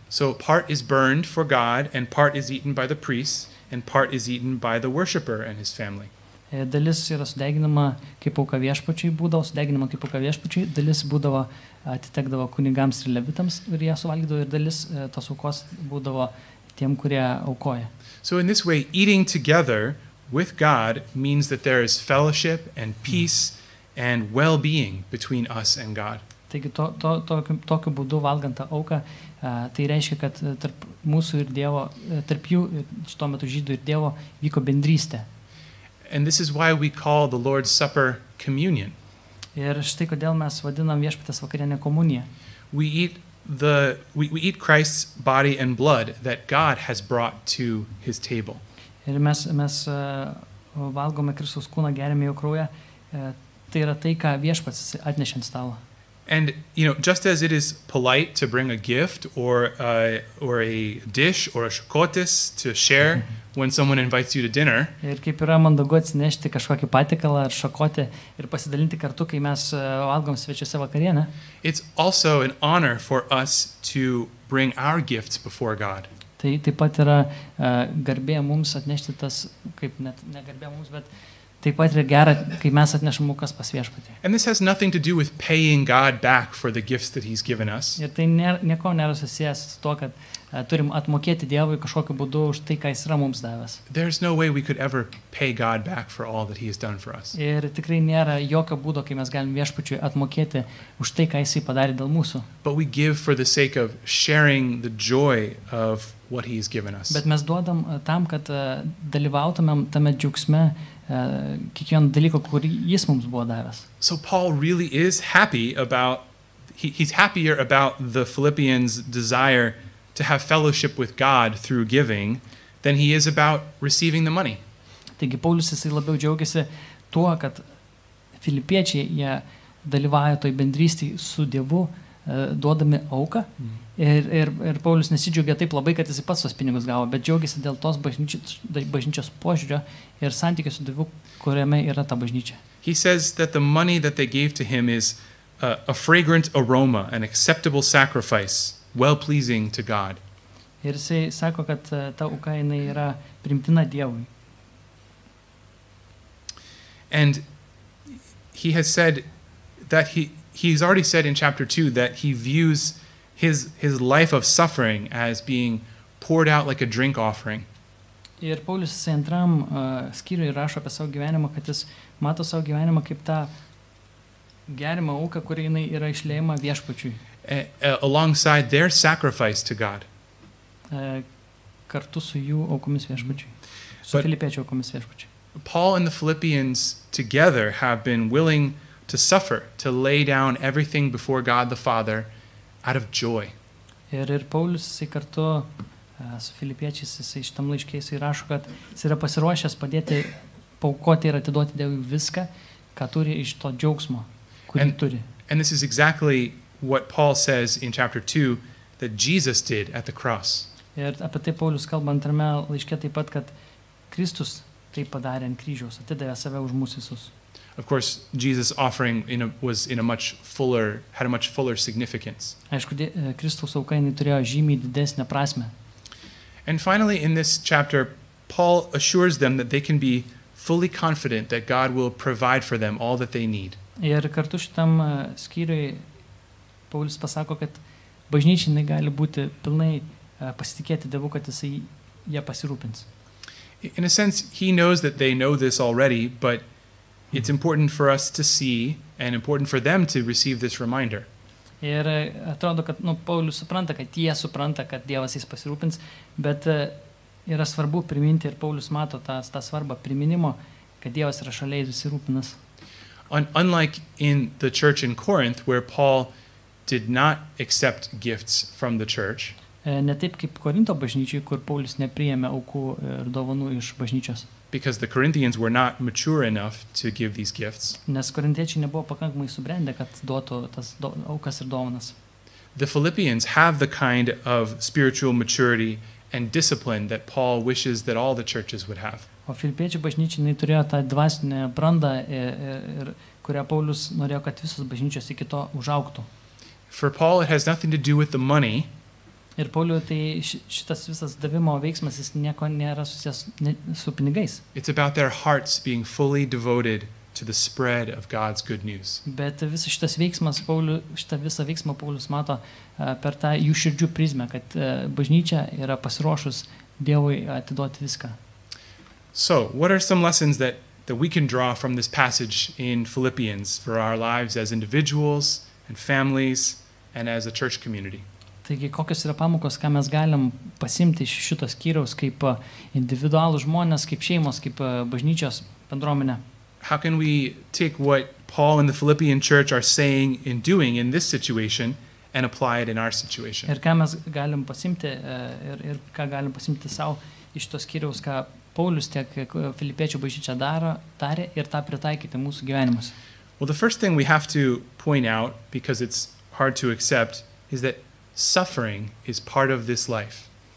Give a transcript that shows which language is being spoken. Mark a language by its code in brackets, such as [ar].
[en] So part is burned for God and part is eaten by the priest and part is eaten by the worshipper and his family. [lt] Dalis yra sudeginama kaip auka viešpačiui, būdavo sudeginama kaip auka viešpačiui, dalis būdavo atitekdavo kunigams ir levitams ir jie suvalgydavo ir dalis tos aukos būdavo tiem, kurie aukoja. [en] So in this way, eating together with God means that there is fellowship and peace and well-being between us and God. [lt] Taigi, tokiu būdu valgant tą auką, tai reiškia, kad tarp mūsų ir Dievo, tarp jų, šito metu žydų ir Dievo, vyko bendrystė. [en] And this is why we call the Lord's Supper communion. [lt] Ir štai kodėl mes vadinam Viešpaties vakarienę komuniją. [en] We eat Christ's body and blood that God has brought to his table. [lt] Ir mes valgome Kristaus kūną, geriame jo kraują, tai yra tai, ką Viešpats atnešė ant stalo. [en] And you know, just as it is polite to bring a gift or a dish or a chocotis to share when someone invites you to dinner. [lt] Ir kaip yra mandagu atsinešti kažkokį patiekalą ar šakotį ir pasidalinti kartu, kai mes valgom svečiuose vakarienę. [en] It's also an honor for us to bring our gifts before God. [lt] Tai taip pat yra garbė mums atnešti tas, kaip net ne garbė mums, bet taip pat yra gera, kai mes atnešam aukas pas Viešpatį. [en] And this has nothing to do with paying God back for the gifts that he's given us. [lt] Ir tai nieko nėra susijęs su to, kad turim atmokėti Dievui kažkokiu būdu už tai, ką jis yra mums davęs. [en] There's no way we could ever pay God back for all that he has done for us. [lt] Ir tikrai nėra jokio būdo, kai mes galim Viešpačiui atmokėti už tai, ką jis padarė dėl mūsų. [en] But we give for the sake of sharing the joy of what he has given us. [lt] Bet mes duodam tam, kad dalyvautumėm tame džiugsme kiekvieno dalyko, kurį jis mums buvo davęs. [en] So Paul really is happy about he's happier about the Philippians' desire to have fellowship with God through giving than he is about receiving the money. [lt] Taigi Paulius jisai labiau džiaugiasi tuo, kad filipiečiai jie dalyvauja toj bendrystėj su Dievu, duodami auką. Ir Paulius nesidžiaugia taip labai, kad jisai pats tos pinigus gavo, bet džiaugiasi dėl tos bažnyčios požiūrio ir santykio su Dievu, kuriame yra ta bažnyčia. [en] He says that the money that they gave to him is a fragrant aroma, an acceptable sacrifice, well-pleasing to God. [lt] Ir jisai sako, kad ta auka jinai yra priimtina Dievui. [en] And he has said that he's already said in chapter 2 that he views his life of suffering as being poured out like a drink offering. [lt] Ir Paulius antram skyriui rašo apie savo gyvenimą, kad jis mato savo gyvenimą kaip tą gerimą auką, kuri jinai yra išleima Viešpačiui. [en] Alongside their sacrifice to God. [lt] Kartu su jų aukomis Viešpačiui. Su filipiečių aukomis Viešpačiui. [en] Paul and the Philippians together have been willing to suffer, to lay down everything before God the Father out of joy. [lt] Ir Paulius jis kartu su filipiečiais jis šitam laiške jis rašo, kad jis yra pasiruošęs padėti, paukoti ir atiduoti Dievui viską, ką turi iš to džiaugsmo, kurį turi. [en] And this is exactly what Paul says in chapter 2 that Jesus did at the cross. [lt] Ir apie tai Paulius kalba antrame laiške taip pat, kad Kristus tai padarė ant kryžiaus, atidavė save už mus visus. [en] Of course, Jesus' offering had a much fuller significance. [lt] Aišku, Kristaus auka jinai turėjo žymiai didesnę prasmę. [en] And finally, in this chapter, Paul assures them that they can be fully confident that God will provide for them all that they need. [lt] Ir kartu šitam skyriui Paulius pasako, kad bažnyčiai gali būti pilnai pasitikėti Dievu, kad jisai ją pasirūpins. [en] In a sense, he knows that they know this already, but it's important for us to see and important for them to receive this reminder. [lt] Ir atrodo, kad Paulius supranta, kad jie supranta, kad Dievas jis pasirūpins, bet yra svarbu priminti, ir Paulius mato tą svarbą priminimo, kad Dievas yra šalia ir jis rūpinas. [en] Unlike in the church in Corinth, where Paul did not accept gifts from the church. [lt] Ne taip kaip Korinto bažnyčiai, kur Paulius nepriėmė aukų ir dovanų iš bažnyčios. [en] Because the Corinthians were not mature enough to give these gifts. [lt] Nes korintiečiai nebuvo pakankamai subrendę, kad duotų tas aukas ir dovanas. [en] The Philippians have the kind of spiritual maturity and discipline that Paul wishes that all the churches would have. [lt] O filipiečių bažnyčiai turėjo tą dvasinę brandą, ir kurią Paulius norėjo, kad visos bažnyčios iki to užaugtų. [en] For Paul it has nothing to do with the money. [lt] Ir Pauliu, tai šitas visas davimo veiksmas, jis nieko nėra susijęs su pinigais. [en] It's about their hearts being fully devoted to the spread of God's good news. [lt] Bet visas šitas veiksmas, Pauliu, šitą visą veiksmą Paulius mato per tą jų širdžių prizmę, kad bažnyčia yra pasiruošus Dievui atiduoti viską. [en] So, what are some lessons that we can draw from this passage in Philippians for our lives as individuals and families and as a church community? [lt] Taigi, kokios yra pamokos, ką mes galim pasimti iš šito skyriaus kaip individualūs žmonės, kaip šeimos, kaip bažnyčios bendruomenė? [en] How can we take what Paul and the Philippian church are saying and doing in this situation and apply it in our situation? [lt] Ir ką mes galim pasimti ir ką galim pasimti sau iš to skyriaus, ką Paulius tiek Filipiečių bažnyčia darė ir tą pritaikyti mūsų gyvenimus. [en] Well, the first thing we have to point out, because it's hard to accept, is that suffering is part of this life.